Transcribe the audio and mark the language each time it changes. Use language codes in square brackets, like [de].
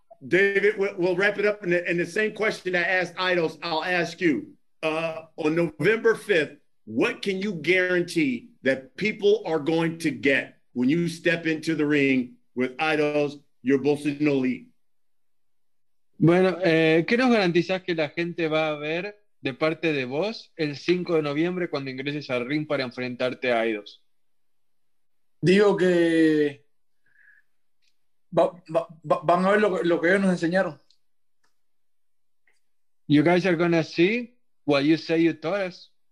[en] David, we'll wrap it up. And the same question I asked Idols, I'll ask you. On November 5th, what can you guarantee that people are going to get when you step into the ring with Idols, your Bolsonaro Elite? [es] Bueno, ¿qué nos garantizás que la gente va a ver de parte de vos el 5 de noviembre cuando ingreses al ring para enfrentarte a Idols? Digo que van a ver lo que ellos nos enseñaron. [en] You guys are gonna see what you say you taught us.